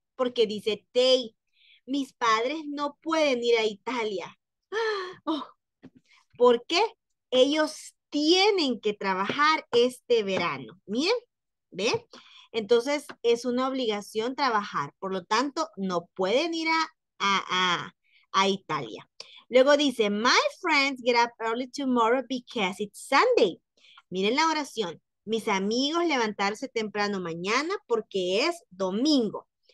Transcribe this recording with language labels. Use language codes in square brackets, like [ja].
[es] Porque dice they. Mis padres no pueden ir a Italia. ¿Por qué? Ellos tienen que trabajar este verano. Miren, ¿ven? Entonces, es una obligación trabajar. Por lo tanto, no pueden ir a, Italia. Luego dice, [en] my friends get up early tomorrow because it's Sunday. [es] Miren la oración. Mis amigos levantarse temprano mañana porque es domingo.